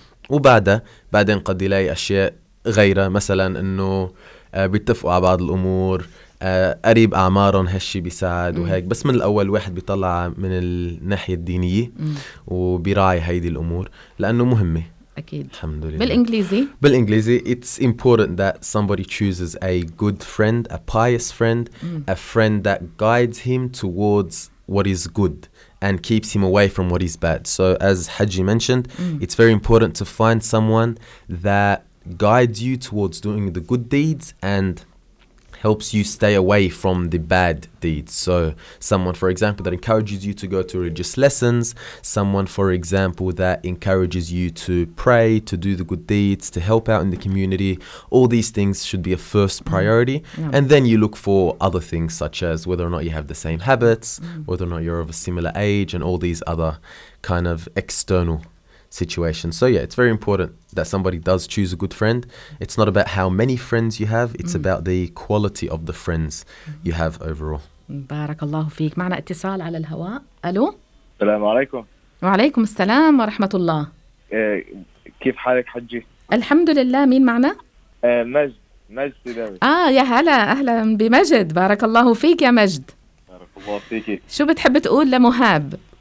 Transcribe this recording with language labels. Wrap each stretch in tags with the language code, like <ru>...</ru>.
<ar>وبعدين قد يلاقي أشياء غيرها، مثلا أنه بيتفقوا على بعض الأمور، قريب أعمارهم، هالشي بيساعد وهيك. بس من الأول واحد بيطلع من الناحية الدينية وبيراعي هيدي الأمور لأنه مهمة. أكيد. الحمد لله. بالإنجليزي</ar> <en>it's important that somebody chooses a good friend, a pious friend, a friend that guides him towards what is good and keeps him away from what is bad. So as Haji mentioned, it's very important to find someone that guides you towards doing the good deeds and helps you stay away from the bad deeds. So someone, for example, that encourages you to go to religious lessons, someone, for example, that encourages you to pray, to do the good deeds, to help out in the community, all these things should be a first priority. And then you look for other things, such as whether or not you have the same habits, whether or not you're of a similar age, and all these other kind of external situation. So yeah, it's very important that somebody does choose a good friend. It's not about how many friends you have, it's about the quality of the friends you have overall.</en> <ar>بارك الله فيك. معنا اتصال على الهواء. الو. السلام عليكم. وعليكم السلام ورحمة الله. كيف حالك حجي؟ الحمد لله. مين معنا؟ مجد. يا هلا، اهلا بمجد. بارك الله فيك يا مجد. بارك الله فيك. شو بتحب تقول لمهاب؟</ar>